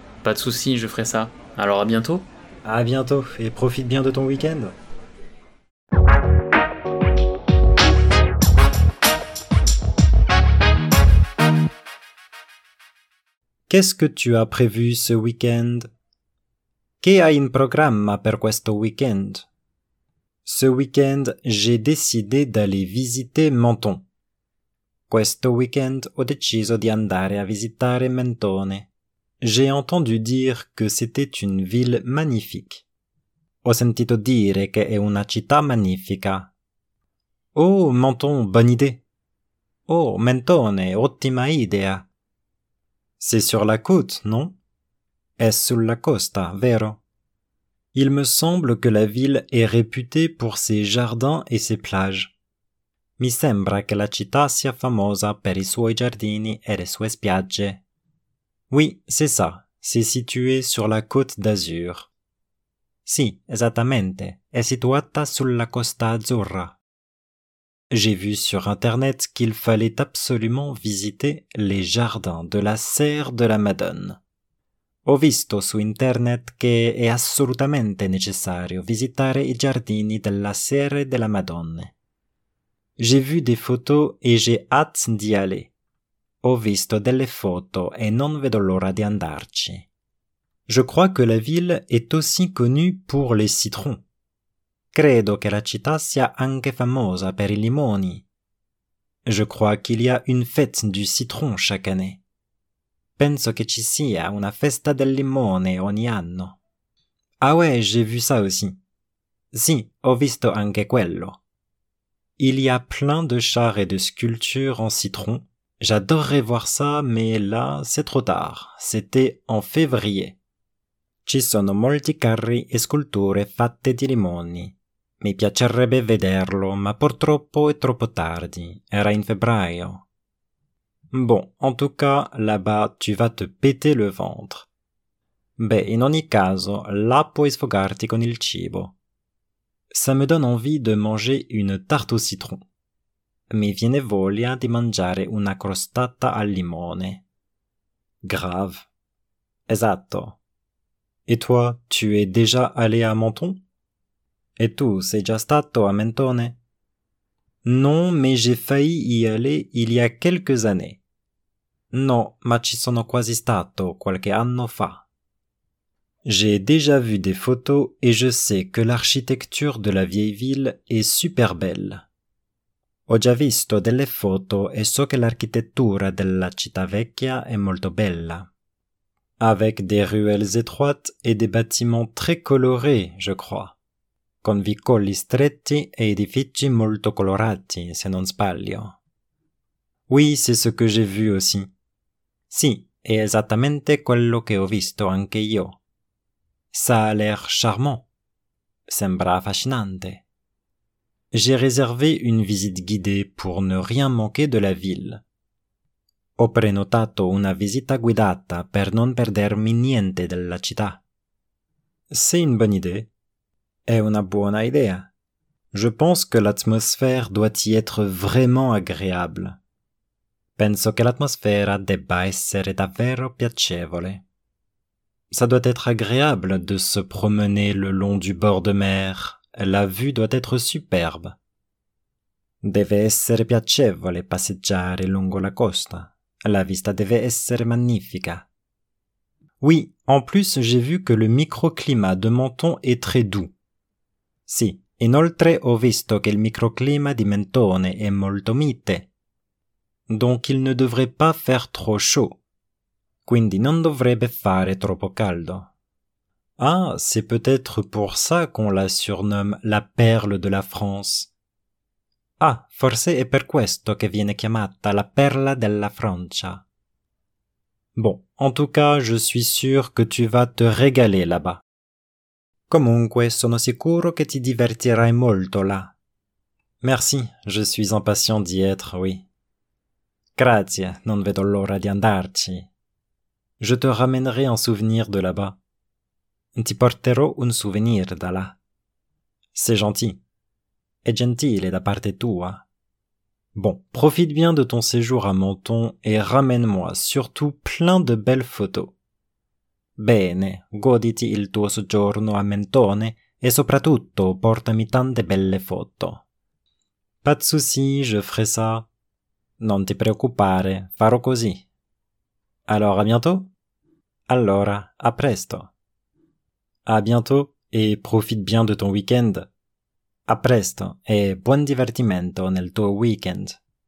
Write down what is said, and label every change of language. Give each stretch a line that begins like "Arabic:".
French: Pas de soucis, je ferai ça. Alors à bientôt. À bientôt, et profite bien de ton week-end. Qu'est-ce que tu as prévu ce week-end?
Italian: Che hai in programma per questo weekend?
French: Ce week-end, j'ai décidé d'aller visiter Menton.
Italian: Questo weekend ho deciso di andare a visitare Mentone.
French: J'ai entendu dire que c'était une ville magnifique.
Italian: Ho sentito dire che è una città magnifica.
French: Oh, Menton, bonne idée.
Italian: Oh, Mentone, ottima idea.
French: C'est sur la côte, non?
Italian: È sulla costa, vero?
French: Il me semble que la ville est réputée pour ses jardins et ses plages.
Italian: Mi sembra che la città sia famosa per i suoi giardini e le sue spiagge.
French: Oui, c'est ça. C'est situé sur la côte d'Azur.
Italian: Sì, esattamente. È situata sulla costa azzurra.
French: J'ai vu sur internet qu'il fallait absolument visiter les jardins de la Serre de la Madone.
Italian: Ho visto su internet che è assolutamente necessario visitare i giardini della Serre della Madone.
French: J'ai vu des photos et j'ai hâte d'y aller.
Italian: Ho visto delle foto e non vedo l'ora di andarci.
French: Je crois que la ville est aussi connue pour les citrons.
Italian: Credo che la città sia anche famosa per i limoni.
French: Je crois qu'il y a une fête du citron chaque année.
Italian: Penso che ci sia una festa del limone ogni anno.
French: Ah ouais, j'ai vu ça aussi.
Italian: Sì, ho visto anche quello.
French: Il y a plein de chars et de sculptures en citron. J'adorerais voir ça, mais là, c'est trop tard. C'était en février.
Italian: Ci sono molti carri e sculture fatte di limoni. Mi piacerebbe vederlo, ma purtroppo è troppo tardi. Era in febbraio.
French: Bon, en tout cas, là-bas, tu vas te péter le ventre.
Italian: Beh, in ogni caso, là puoi sfogarti con il cibo.
French: Ça me donne envie de manger une tarte au citron.
Italian: Mi viene voglia di mangiare una crostata al limone.
French: Grave.
Italian: Esatto.
French: Et toi, tu es déjà allé à Menton?
Italian: Et tu sei già stato a Mentone?
French: Non, mais j'ai failli y aller il y a quelques années.
Italian: No, ma ci sono quasi stato qualche anno fa.
French: J'ai déjà vu des photos et je sais que l'architecture de la vieille ville est super belle.
Italian: Ho già visto delle foto e so che l'architettura della città vecchia è molto bella.
French: Avec des ruelles étroites et des bâtiments très colorés, je crois.
Italian: Con vicoli stretti e edifici molto colorati, se non sbaglio.
French: Oui, c'est ce que j'ai vu aussi.
Italian: Sì, è esattamente quello che ho visto anche io.
French: Ça a l'air charmant.
Italian: Sembra affascinante.
French: J'ai réservé une visite guidée pour ne rien manquer de la ville.
Italian: Ho prenotato una visita guidata per non perdermi niente della città.
French: C'est une bonne idée.
Italian: È una buona idea.
French: Je pense que l'atmosphère doit y être vraiment agréable.
Italian: Penso che l'atmosfera debba essere davvero piacevole.
French: Ça doit être agréable de se promener le long du bord de mer. La vue doit être superbe.
Italian: Deve essere piacevole passeggiare lungo la costa. La vista deve essere magnifica.
French: Oui, en plus j'ai vu que le microclimat de Menton est très doux.
Italian: Sì, inoltre ho visto che il microclima di Mentone è molto mite.
French: Donc il ne devrait pas faire trop chaud.
Italian: Quindi non dovrebbe fare troppo caldo.
French: Ah, c'est peut-être pour ça qu'on la surnomme la perle de la France.
Italian: Ah, forse è per questo che viene chiamata la perla della Francia.
French: Bon, en tout cas, je suis sûr que tu vas te régaler là-bas.
Italian: Comunque, sono sicuro che ti divertirai molto là.
French: Merci, je suis impatient d'y être, oui.
Italian: Grazie, non vedo l'ora di andarci.
French: Je te ramènerai un souvenir de là-bas.
Italian: Ti porterò un souvenir da là.
French: C'est gentil.
Italian: È gentile da parte tua.
French: Bon, profite bien de ton séjour à Menton et ramène-moi surtout plein de belles photos.
Italian: Bene, goditi il tuo soggiorno a Mentone e soprattutto portami tante belle foto.
French: Pas de souci, je ferai ça.
Italian: Non ti preoccupare, farò così.
French: Alors, à bientôt.
Italian: Allora, a presto.
French: À bientôt et profite bien de ton week-end.
Italian: A presto e buon divertimento nel tuo weekend.